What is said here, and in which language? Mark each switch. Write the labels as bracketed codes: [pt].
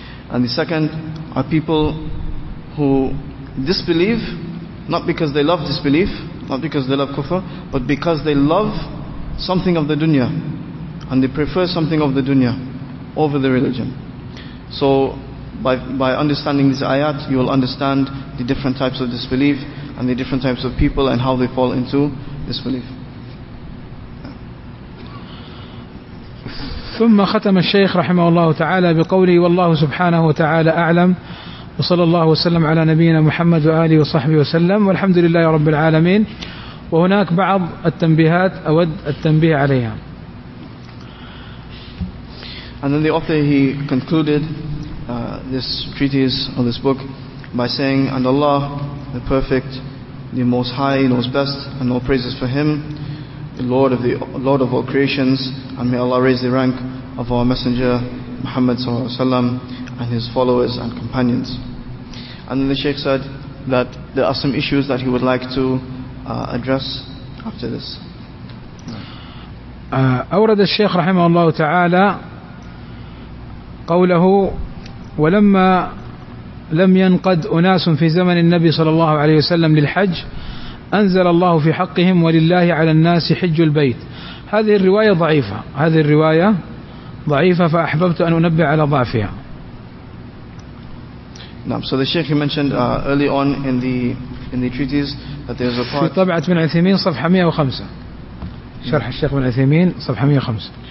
[en] And the second are people who disbelieve not because they love disbelief, not because they love kufr, but because they love something of the dunya and they prefer something of the dunya over the religion. So by understanding this ayat, you will understand the different types of disbelief and the different types of people and how they fall into disbelief. [ar] ثم ختم الشيخ رحمه الله تعالى بقوله والله سبحانه وتعالى أعلم، وصلى الله وسلم على نبينا محمد وآله وصحبه وسلم، والحمد لله رب العالمين. وهناك بعض التنبيهات أود التنبيه عليها. [en] And then the author, he concluded this treatise or this book by saying, and Allah, the perfect, the most high, knows best, and all praises for him, the Lord of all creations, and may Allah raise the rank of our messenger Muhammad sallallahu alaihi wasallam and his followers and companions. And then the Shaykh said that there are some issues that he would like to address after this. [ar] أورد الشيخ رحمه الله تعالى قوله ولما لم ينقد أناس في زمن النبي صلى الله عليه وسلم للحج أنزل الله في حقهم ولله على الناس حج البيت. هذه الرواية ضعيفة فأحببت أن أنبه على ضعفها. نعم. [en] So the Shaykh mentioned early on in the treatise that there's a part. [ar] في طبعة ابن عثيمين صفحة 105. شرح الشيخ ابن عثيمين صفحة 105.